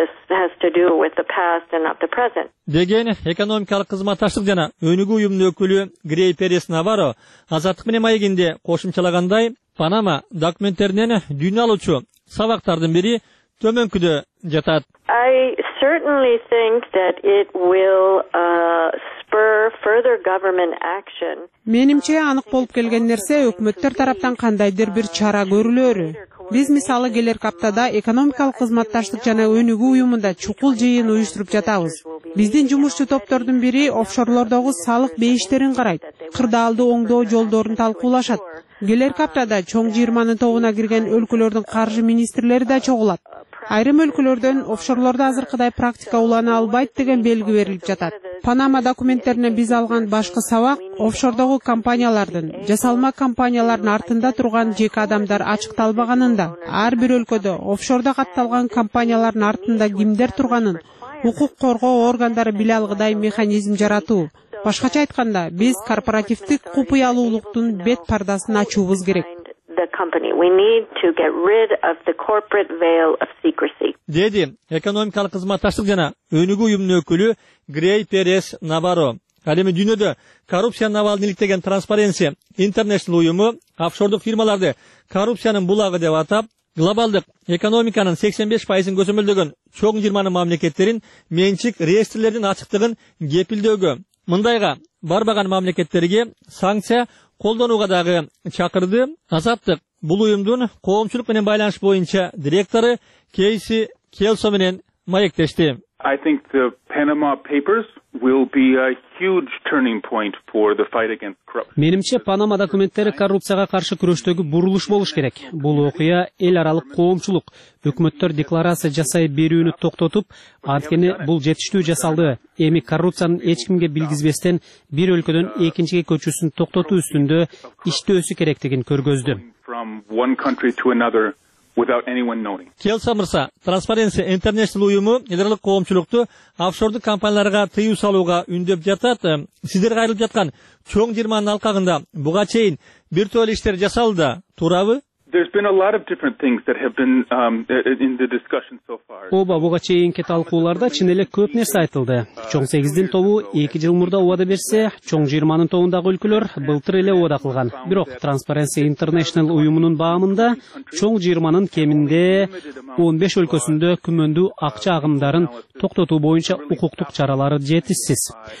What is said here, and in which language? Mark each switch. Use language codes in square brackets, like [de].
[ky] Деген экономикалык кызматташтык жана өнүгүү уюмунун өкүлү Грей Перес Наваро азаттык менен маегинде кошумчалагандай, Панама документтеринен дүйнө алуучу сабактардын бири төмөнкүдө жатат. [en] I certainly think that it will spur further government action. [ky] Менимче анык болуп келген нерсе өкмөттөр тараптан кандайдыр бир чара көрүлөрү. Биз мисалы келерки аптада экономикалык кызматташтык жана өнүгүү уюмунда чукул жыйын уюштуруп жатабыз. Биздин жумушчу топтордун бири офшорлордогу салык бейиштерин карайт, кырдаалды оңдоо жолдорун талкуулашат. Келерки аптада чоң 20 тобуна кирген өлкөлөрдүн каржы министрлери да чогулат. Айрым өлкөлөрдөн офшорлордо азыркыдай практика улана албайт деген белги берилип жатат. Панама документтерине биз алган башкы сабак офшордогу компаниялардын, жасалма компаниялардын артында турган жеке адамдар ачыкталбаганында, ар бир өлкөдө офшордо катталган компаниялардын артында кимдер турганын укук коргоо органдары биле алгыдай механизм жаратуу. Башкача айтканда, биз корпоративдик купуялуулуктун бет пардасын ачуубуз керек. [en] We need to get rid of the corporate veil of secrecy. [ky] Деди экономикалык кызматташтык жана өнүгүү уюмунун өкүлү Грей Перес Наваро. Ал эми дүйнөдө коррупциянын абалын иликтеген Transparency International уюму офшордук фирмаларды коррупциянын булагы деп атап, глобалдык экономиканын 85% көзөмөлдөгөн чоң 20 мамлекеттерин менчик реестрлеринин ачыктыгын кепилдөөгө Мындайга барбаган мамлекеттерге санкция колдонууга дагы чакырды. Азаттык бул уюмдун коомчулук менен байланыш боюнча директору Кейси Келсо менен маектешти. [en] I think the Panama Papers will be a huge turning point for the fight against corruption. [ky] Менимче Панама документтери коррупцияга каршы күрөштөгү бурулуш болуш керек. Бул окуя эл аралык коомчулук, өкмөттөр декларация жасай берүүнү токтотуп, анткени бул жетиштүү жасалды. Эми коррупциянын эч кимге билгизбестен бир өлкөдөн экинчиге көчүүсүн токтотуу үстүндө иштөөсү керектигин көргөздү. [en] Without anyone knowing. [ky] Келса мырса, Transparency International уюму элдик коомчулукту офшордук компанияларга тыюу салууга үндөп жатат. Сиздер кайрылып жаткан чоң жырманын алкагында буга чейин бир тоолу иштер жасалды, туурабы? [en] There's been a lot of different things that have been in the discussion so far. [ky] Оба буга чейинки талкууларда чын эле көп нерсе айтылды. Чоң 8'дин тобу 2 жыл мурда убада берсе, чоң 20'нын тобундагы өлкөлөр былтыр эле убада кылган. Бирок Transparency International уюмунун баамында чоң 20'нын кеминде 15 өлкөсүндө күмөндүү акча агымдарын токтотуу боюнча укуктук чаралары жетишсиз.